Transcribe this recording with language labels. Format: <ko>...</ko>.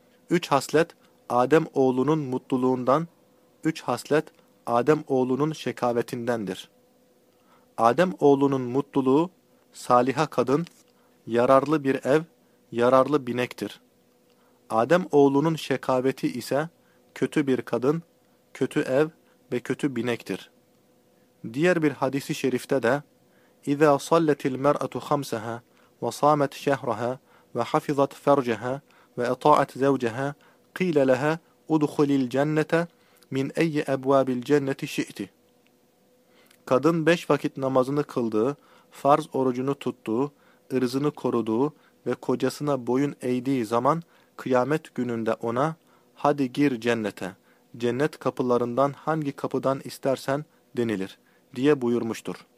<tr>Üç haslet Adem oğlunun mutluluğundan, üç haslet Adem oğlunun şekavetindendir. Adem oğlunun mutluluğu, saliha kadın, yararlı bir ev, yararlı binektir. Adem oğlunun şekaveti ise kötü bir kadın, kötü ev ve kötü binektir. Diğer bir hadisi şerifte de</tr> <ar>اِذَا صَلَّتِ الْمَرْأَةُ خَمْسَهَا وَصَامَتْ شَهْرَهَا وَحَفِظَتْ فَرْجَهَا وَاَطَاعَتْ زَوْجَهَا قِيلَ لَهَا اُدْخُلِ الْجَنَّةَ مِنْ اَيِّ اَبْوَابِ الْجَنَّةِ شِئْتِ.</ar> <tr>Kadın beş vakit namazını kıldığı, farz orucunu tuttuğu, ırzını koruduğu ve kocasına boyun eğdiği zaman kıyamet gününde ona "Hadi gir cennete, cennet kapılarından hangi kapıdan istersen denilir" diye buyurmuştur.</tr>